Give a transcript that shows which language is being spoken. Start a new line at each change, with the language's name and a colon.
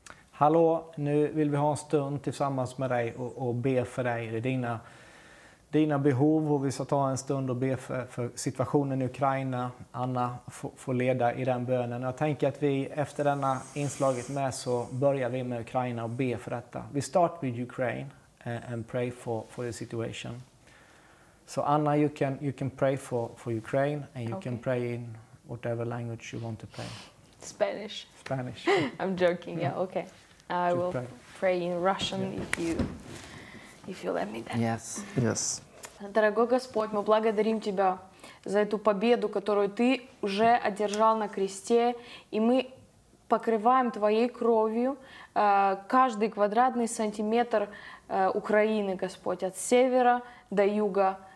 Swedish: Hallå, nu vill vi ha en stund tillsammans med dig och be för dig i dina behov. Och vi ska ta en stund och be för situationen i Ukraina. Anna får leda i den bönen. Jag tänker att vi efter denna inslaget med så börjar vi med Ukraina och be för detta. Vi start med
English: Ukraine and pray for the situation. So Anna, you can pray for Ukraine and you can pray in whatever language you want to pray. Spanish. I'm joking. Yeah. Okay. I will pray in Russian if you let me then. Yes.
Russian: Дорогой Господь, мы благодарим тебя за эту победу, которую ты уже одержал на кресте, и мы покрываем твоей кровью каждый квадратный сантиметр Украины, Господь, от севера до юга.